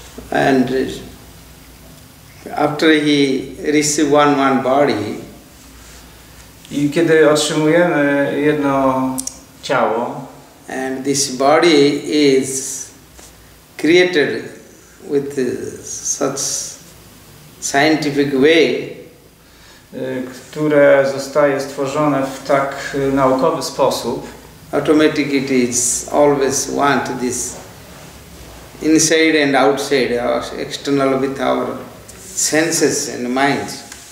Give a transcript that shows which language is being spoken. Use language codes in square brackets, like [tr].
[en] And after he receive one body, [pl] i kiedy otrzymujemy jedno ciało, [en] and this body is created with such scientific way, [pl] które zostaje stworzone w tak naukowy sposób, [en] automatic it is always want this inside and outside, external with our senses and minds.